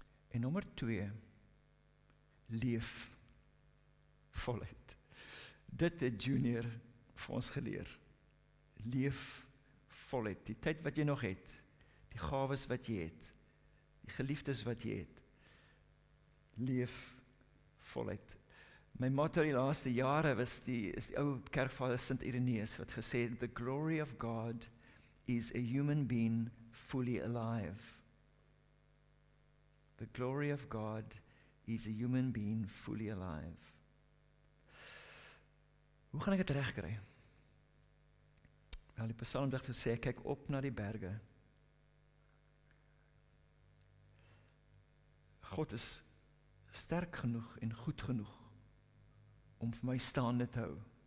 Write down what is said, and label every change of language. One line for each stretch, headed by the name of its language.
Afrikaans: En nummer twee, leef voluit. Dit het Junior vir ons geleer. Leef voluit. Die tyd wat jy nog het, die gawes wat jy het, die geliefdes wat jy het, leef voluit. My motto die laaste jare was is die ou kerkvader Sint Ireneus wat gesê het,
English: the glory of God is a human being fully alive. The glory of God is a human being fully alive.
Afrikaans: Hoe gaan ek het recht kry? Wel, die psalm dacht gesê, kyk op na die berge. God is sterk genoeg en goed genoeg om vir my staande te hou.